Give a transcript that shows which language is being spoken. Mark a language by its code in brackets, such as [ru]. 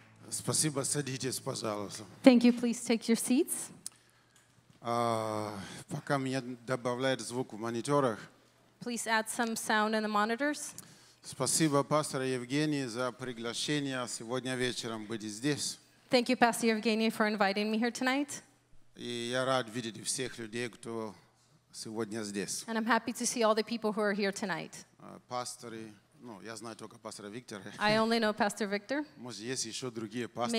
[ru] Спасибо, садитесь, пожалуйста. [en] Thank you, please take your seats. [ru] Пока меня добавляют звук в мониторах. [en] Please add some sound in the monitors. [ru] Спасибо, пастор Евгений, за приглашение сегодня вечером быть здесь. [en] Thank you, Pastor Evgeny, for inviting me here tonight. [ru] И я рад видеть всех людей, кто сегодня здесь. [en] And I'm happy to see all the people who are here tonight. [ru] Пасторы, ну, я знаю только пастора Виктора. [en] I only know Pastor Victor. [ru] Может, есть еще другие пасторы.